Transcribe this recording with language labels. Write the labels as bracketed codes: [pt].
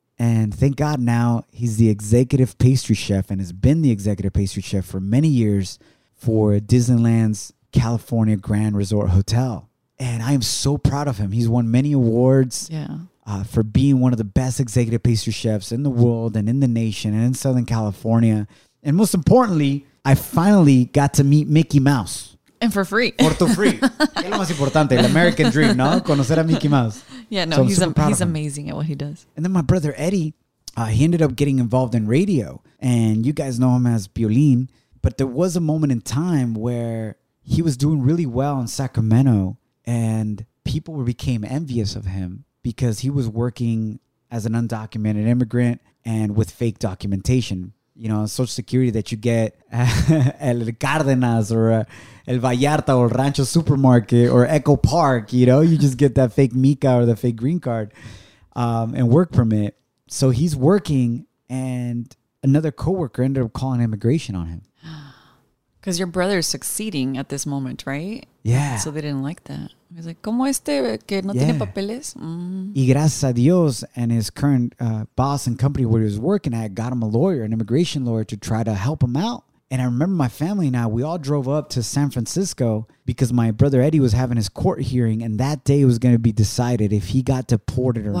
[en] And thank God now he's the executive pastry chef and has been the executive pastry chef for many years for Disneyland's California Grand Resort Hotel. And I am so proud of him. He's won many awards for being one of the best executive pastry chefs in the world and in the nation and in Southern California. And most importantly, I finally got to meet Mickey Mouse. And for free. [es] Por tu free. Es lo más importante, el American dream, ¿no? Conocer a Mickey Mouse. [en] Yeah, no, he's amazing at what he does. And then my brother Eddie, he ended up getting involved in radio. And you guys know him as Piolín. But there was a moment in time where he was doing really well in Sacramento. And people became envious of him because he was working as an undocumented immigrant and with fake documentation. You know, Social Security that you get El Cardenas or El Vallarta or Rancho Supermarket or Echo Park. You know, you just get that fake Mica or the fake green card and work permit. So he's working and another coworker ended up calling immigration on him. Because your brother is succeeding at this moment, right? Yeah. So they didn't like that. He's like, [es] ¿cómo este que no tiene papeles? Y gracias a Dios [en] and his current boss and company where he was working at got him a lawyer, an immigration lawyer, to try to help him out. And I remember my family and I, we all drove up to San Francisco because my brother Eddie was having his court hearing and that day was going to be decided if he got deported or not.